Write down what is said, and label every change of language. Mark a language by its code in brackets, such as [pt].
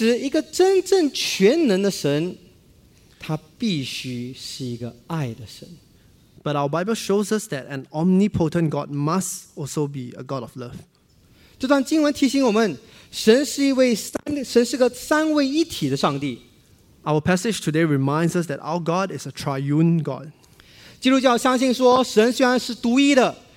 [zh] 对。但其实一个真正全能的神, 他必须是一个爱的神。 [en] But our Bible shows us that an omnipotent God must also be a God of love. [zh] 这段经文提醒我们，神是一位三位一体的上帝。 [en] Our passage today reminds us that our God is a triune God. [zh] 基督教相信说，神虽然是独一的，